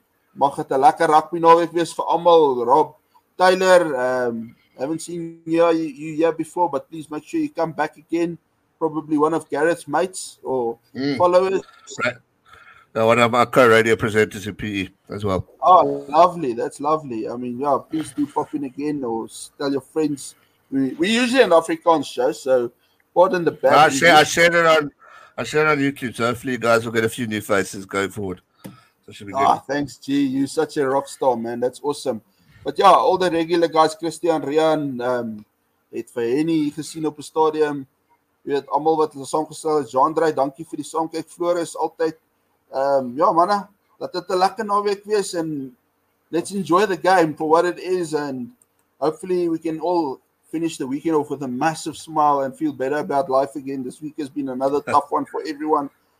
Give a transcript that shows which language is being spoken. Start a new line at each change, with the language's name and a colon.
Afrikaans: Mag het 'n lekker rugby naweek wees vir almal.
English: Rob, Tyler, haven't seen you here before, but please make sure you come back again. Probably one of Gareth's mates or followers. Right. No, one of my co-radio presenters in PE as well. Oh, lovely. That's lovely. I mean, yeah, please do pop in again or tell your friends. We're usually an Afrikaans show, so pardon the bad. I share it on YouTube, so hopefully you guys will get a few new faces going forward. Thanks, G. You're such a rock star, man. That's awesome. But yeah, all the regular guys, Christian, Rian,
Afrikaans: het vir any gesien op 'n stadium. Jy weet, almal wat ons saamgestel het, Jean-Dre, dankie vir die saamkyk. Floris, altyd. Manne, laat dit 'n lekker naweek wees,
English: and let's enjoy the game for what it is, and hopefully we can all finish the weekend off with a massive smile and feel better about life again. This week has been another tough one for everyone.